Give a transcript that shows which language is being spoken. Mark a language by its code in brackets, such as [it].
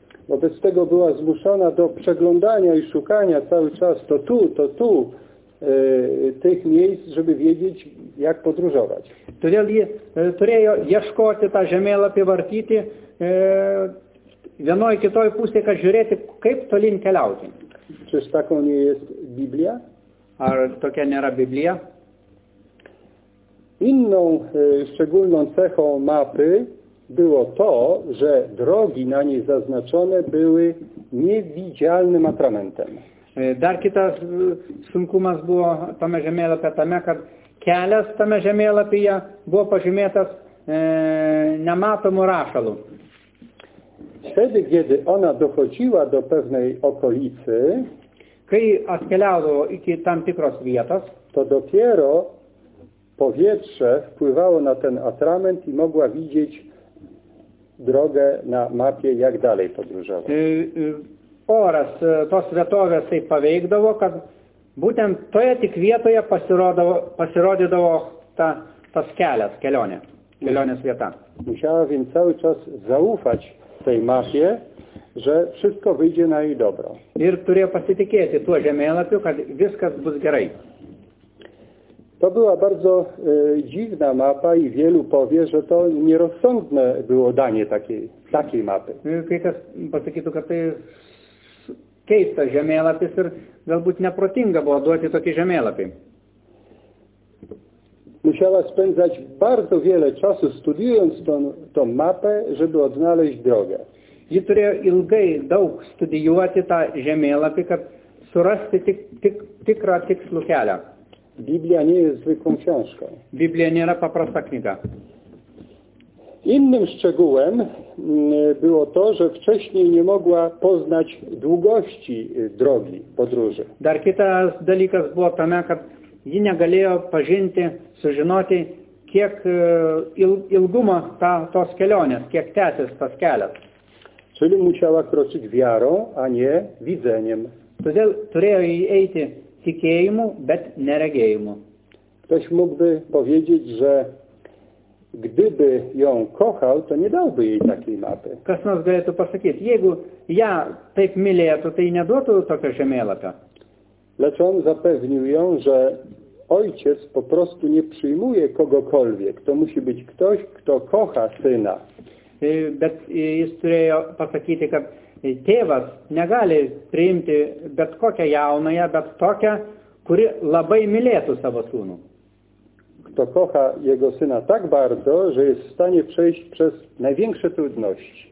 [pl] Wobec tego była zmuszona do przeglądania i szukania cały czas to tu, tych miejsc, żeby wiedzieć, jak podróżować. [lt] Todėl ji turėjo ieškoti tą žemėlapį, vartyti vienoj kitoj pusėje, kad žiūrėti, kaip tolin keliauti. Čia sako, [pl] nie jest Biblia? [lt] Ar tokia nėra Biblia? [pl] Inną szczególną cechą mapy było to, że drogi na niej zaznaczone były niewidzialnym atramentem. [lt] Dar kitas sunkumas buvo tame žemėlapyje tame, kad kelias tame žemėlapyje buvo pažymėtas nematomu rašalu. [pl] Wtedy, kiedy ona dochodziła do pewnej okolicy, [lt] kai atkeliaudavo iki tam tikros vietos, [pl] to dopiero powietrze wpływało na ten atrament i mogła widzieć drogę na mapie, jak dalej podróżować. [lt] Oras tos vietovės taip paveikdavo, kad būtent toje tik vietoje pasirodydavo tas kelias, kelionės vieta. [pl] Musiała więc cały czas zaufać tej mapie, że wszystko wyjdzie na jej dobro. [lt] Ir turėjo pasitikėti tuo žemėlapiu, kad viskas bus gerai. [pl] To była bardzo dziwna mapa i wielu powie, że to nierozsądne było danie takiej mapy. [lt] Kai kas pasakytų, kad tai keista žemėlapis ir galbūt neprotinga buvo duoti tokį žemėlapį. [pl] Musiała spędzać bardzo wiele czasu studiując tą mapę, żeby odnaleźć drogę. [lt] Ji turėjo ilgai daug studijuoti tą žemėlapį, kad surasti tikrą tikslų kelią. [pl] Biblia nie jest zwykłą książką. [lt] Biblia nėra paprasta knyga. [pl] Innym szczegółem było to, że wcześniej nie mogła poznać długości drogi podróży. [lt] Dar kitas dalykas buvo tame, kad ji negalėjo pažinti, sužinoti, kiek ilgumo tos kelionės, kiek tęsis tas kelias. [pl] Czyli musiała kroczyć wiarą, a nie widzeniem. [lt] Todėl turėjo eiti tikėjimu, bet neregėjimu. [pl] Ktoś mógłby powiedzieć, że gdyby ją kochał, to nie dałby jej takiej mapy. [lt] Kas nors galėtų pasakyti, jeigu ją taip mylėtų, tai neduotų tokio žemėlapio. [pl] Lecz on zapewnił ją, że ojciec po prostu nie przyjmuje kogokolwiek. To musi być ktoś, kto kocha syna. [lt] Bet jis turėjo pasakyti, kad tėvas negali priimti bet kokią jaunąją, bet tokią, kuri labai mylėtų savo sūnų. [pl] Kto kocha jego syna tak bardzo, że jest w stanie przejść przez największe trudności.